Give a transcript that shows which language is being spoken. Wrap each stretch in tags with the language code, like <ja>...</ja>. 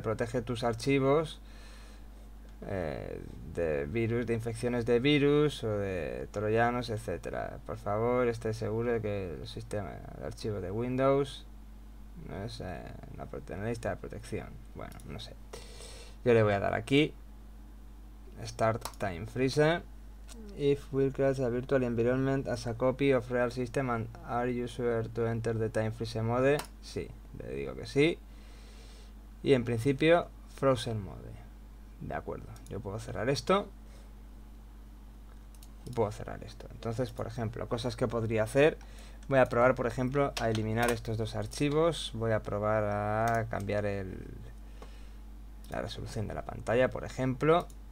<es>Protege tus archivos de virus, de infecciones de virus o de troyanos, etcétera. Por favor, esté seguro de que el sistema de archivos de Windows no es una lista de protección. Bueno, no sé. Yo le voy a dar aquí Start Time Freeze.</es> <en>If we create a virtual environment as a copy of real system and are you sure to enter the time freeze mode?</en> <es>Sí, le digo que sí. Y en principio, frozen mode. De acuerdo, yo puedo cerrar esto. Y puedo cerrar esto. Entonces, por ejemplo, cosas que podría hacer. Voy a probar, por ejemplo, a eliminar estos dos archivos. Voy a probar a cambiar la resolución de la pantalla, por ejemplo.</es>